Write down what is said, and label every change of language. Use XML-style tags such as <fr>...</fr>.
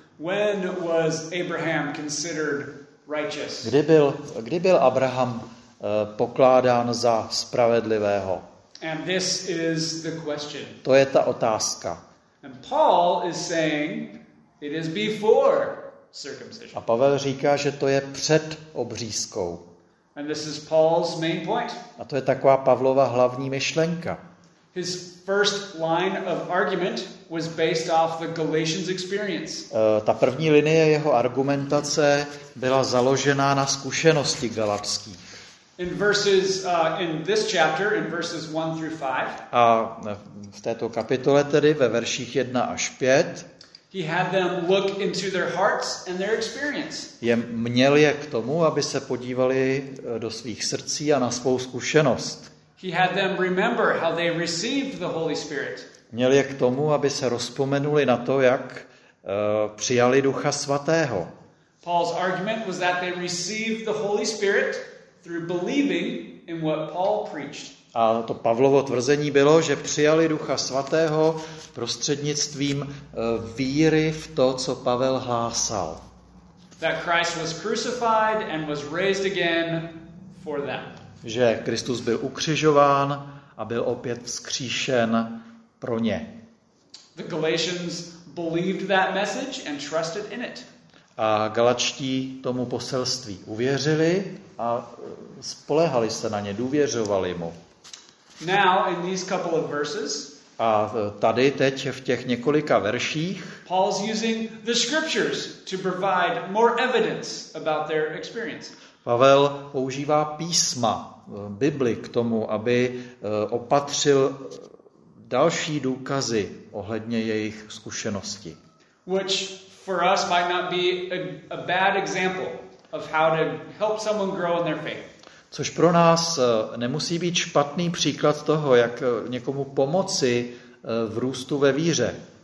<en>When was Abraham considered righteous?</en> <cs>Kdy byl Abraham pokládán za spravedlivého?</cs> <en>And this is the question.</en> <cs>To je ta otázka.</cs> <en>And Paul is saying it is before circumcision.</en> <cs>A Pavel říká, že to je před obřízkou.</cs> <en>And this is Paul's main point.</en> <cs>A to je taková Pavlova hlavní myšlenka.</cs> <en>His first line of argument was based off the Galatians' experience.</en> <cs>Ta první linie jeho argumentace byla založená na zkušenosti galatských.</cs> <en>In verses in this chapter, in verses 1 through 5.</en> <cs>A v této kapitole tedy ve verších 1 až 5.</cs> <en>He had them look into their hearts and their experience.</en> <cs>Je měl je k tomu, aby se podívali do svých srdcí a na svou zkušenost.</cs> <en>He had them remember how they received the Holy Spirit.</en> <cs>Měl je k tomu, aby se rozpomenuli na to, jak přijali Ducha Svatého.</cs> <en>Paul's argument was that they received the Holy Spirit through believing in what Paul preached.</en> <cs>A to Pavlovo tvrzení bylo, že přijali Ducha Svatého prostřednictvím víry v to, co Pavel hlásal.</cs> <en>That Christ was crucified and was raised again for them.</en> <cs>Že Kristus byl ukřižován a byl opět vzkříšen pro ně.</cs> <en>The Galatians believed that message and trusted in it.</en> <cs>A Galačtí tomu poselství uvěřili a spoléhali se na ně, důvěřovali mu.</cs> <en>Now in these couple of verses,</en> <cs>a tady teď v těch několika verších</cs> <en>Paul's using the scriptures to provide more evidence about their experience.</en> <cs>Pavel používá písma, Bibli k tomu, aby opatřil další důkazy ohledně jejich zkušenosti.</cs> <en>Which for us might not be a bad example of how to help someone grow in their faith.</en> <cs>Což pro nás nemusí být špatný příklad toho, jak někomu pomoci v růstu ve víře.</cs>